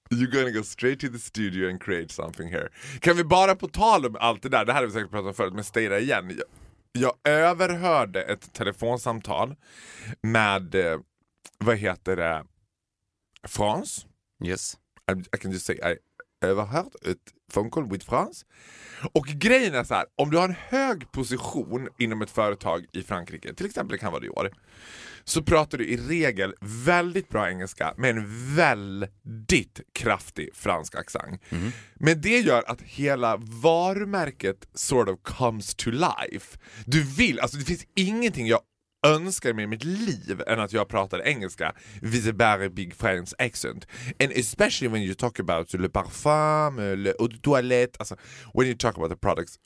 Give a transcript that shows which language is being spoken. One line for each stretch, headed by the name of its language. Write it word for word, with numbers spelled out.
English: You're gonna go straight to the studio and create something here.
Swedish: Kan vi bara på tal om allt det där, det här har vi säkert pratat om förut, men stejda igen. Jag, jag överhörde ett telefonsamtal med... Eh, vad heter det? France?
English: Yes. I, I can just say I
Swedish: överhört ett
English: phone call with France.
Swedish: Och grejen är så här, om du har en hög position inom ett företag i Frankrike, till exempel det kan vara Dior, så pratar du i regel väldigt bra engelska med en väldigt kraftig fransk accent. Mm. Men det gör att hela varumärket
English: sort of comes to life.
Swedish: Du vill, alltså det finns ingenting jag önskar mig i mitt liv än att jag pratar engelska
English: with a very big French accent. And especially when you talk about
French: le parfum, le eau de toilette,
English: alltså, when you talk about the products.